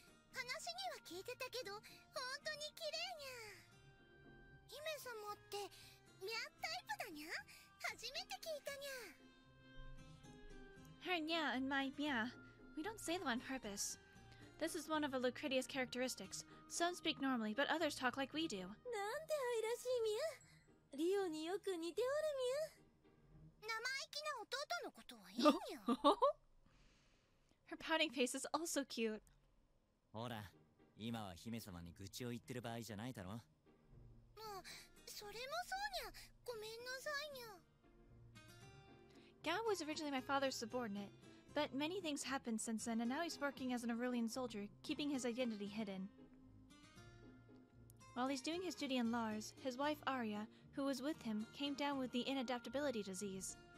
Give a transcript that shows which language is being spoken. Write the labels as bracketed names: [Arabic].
[Japanese] 話には聞いてたけど、本当に綺麗ニャ。姫様ってミャタイプだにゃ？初めて聞いたにゃ。 [English] Her nya and my mia, we don't say them on purpose. This is one of a Lucretia's characteristics. Some speak normally, but others talk like we do. [Japanese] なんて愛らしいミャ。リオによく似ておるミャ。生意気な弟のことはいいにゃ。 [English] Her pouting face is also cute. [Japanese] ほら、今は姫様に愚痴を言ってる場合じゃないだろ。それもそうにゃ、ごめんなさいにゃ。 [English] Gao was originally my father's subordinate, but many things happened since then, and now he's working as an Aurelian soldier, keeping his identity hidden. While he's doing his duty in Lars, his wife Arya, who was with him, came down with the inadaptability disease.